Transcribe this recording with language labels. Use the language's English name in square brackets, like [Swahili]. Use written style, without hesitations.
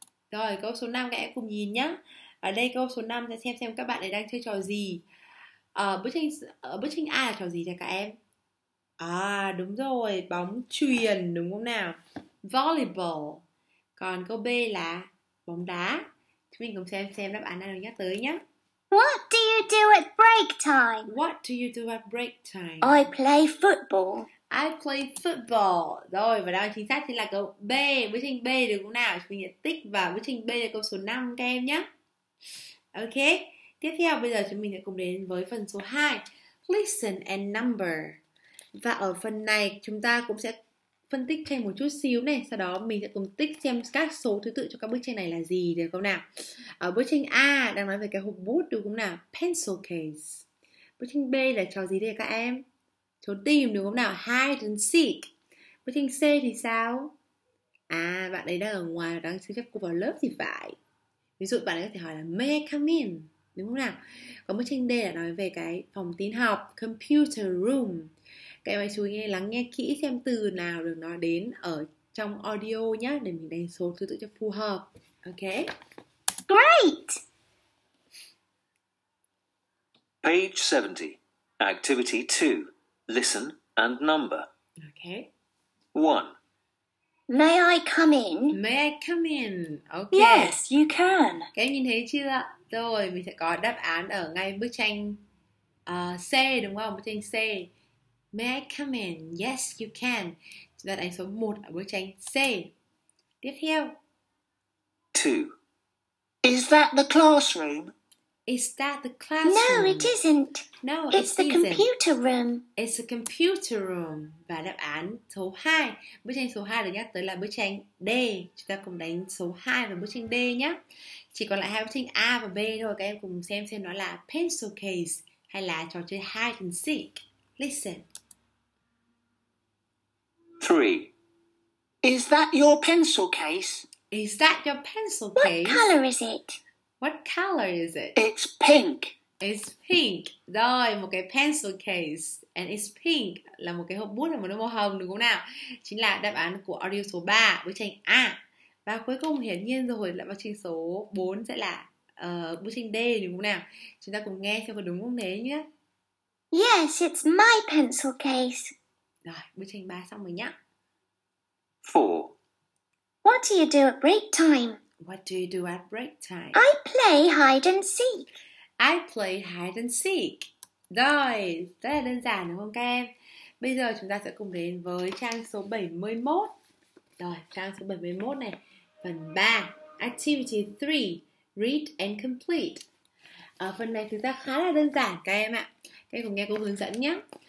[Vietnamese] Rồi, câu số 5 các em cùng nhìn nhé. Ở đây câu số 5 sẽ xem các bạn ấy đang chơi trò gì. Bức tranh A là trò gì cho các em? À, đúng rồi, bóng chuyền đúng không nào? Volleyball. Còn câu B là bóng đá. Chúng mình cùng xem đáp án nào được nhắc tới nhé. [English] What do you do at break time? What do you do at break time? I play football. I play football. [Vietnamese] Rồi, và đáp án chính xác thì là câu B. Bức tranh B được không nào? Chúng mình sẽ tích vào bức tranh B là câu số 5 các em nhé. Ok, tiếp theo bây giờ chúng mình sẽ cùng đến với phần số 2. [English] Listen and number. [Vietnamese] Và ở phần này chúng ta cũng sẽ phân tích thêm một chút xíu này. Sau đó mình sẽ cùng tích xem các số thứ tự cho các bức tranh này là gì được không nào. Ở bức tranh A đang nói về cái hộp bút đúng không nào? Pencil case. Bức tranh B là trò gì đây các em? Trốn tìm đúng không nào? Hide and seek. Bức tranh C thì sao? À, bạn ấy đang ở ngoài đang xin phép cô vào lớp thì phải. Ví dụ bạn ấy có thể hỏi là [English] may I come in [Vietnamese] đúng không nào? Còn bức tranh D là nói về cái phòng tin học, computer room. Các em hãy chú ý nghe, lắng nghe kỹ xem từ nào được nói đến ở trong audio nhé, để mình đánh số thứ tự cho phù hợp. [English] Ok. Great. Page 70, activity 2, listen and number. Ok. 1. May I come in? May I come in? Ok. Yes, you can. [Vietnamese] Các em nhìn thấy chưa? Rồi, mình sẽ có đáp án ở ngay bức tranh C đúng không? Bức tranh C. [English] May I come in? Yes, you can. [Vietnamese] Đáp án số 1 ở bức tranh C. Tiếp theo. [English] 2. Is that the classroom? Is that the classroom? No, it isn't. No, it's the computer room. It's the computer room. [Vietnamese] Và đáp án số 2. Bức tranh số 2 được nhắc tới là bức tranh D. Chúng ta cùng đánh số 2 và bức tranh D nhé. Chỉ còn lại hai bức tranh A và B thôi. Các em cùng xem nó là pencil case hay là trò chơi hide and seek. [English] Listen. 3. Is that your pencil case? Is that your pencil case? What color is it? What color is it? It's pink. It's pink. [Vietnamese] Rồi, một cái pencil case. [English] And it's pink [Vietnamese] là một cái hộp bút mà nó màu hồng đúng không nào? Chính là đáp án của audio số 3, bức tranh A. Và cuối cùng hiển nhiên rồi là bức tranh số 4 sẽ là bức tranh D đúng không nào? Chúng ta cùng nghe xem có đúng không thế nhé. [English] Yes, it's my pencil case. [Vietnamese] Rồi, bức tranh 3 xong rồi nhá. [English] 4. What do you do at break time? What do you do at break time? I play hide and seek. I play hide and seek. [Vietnamese] Rồi, rất là đơn giản đúng không các em? Bây giờ chúng ta sẽ cùng đến với trang số 71. Rồi, trang số 71 này. Phần 3, activity 3, read and complete. Ở phần này thực ra khá là đơn giản các em ạ. Các em cùng nghe cô hướng dẫn nhé.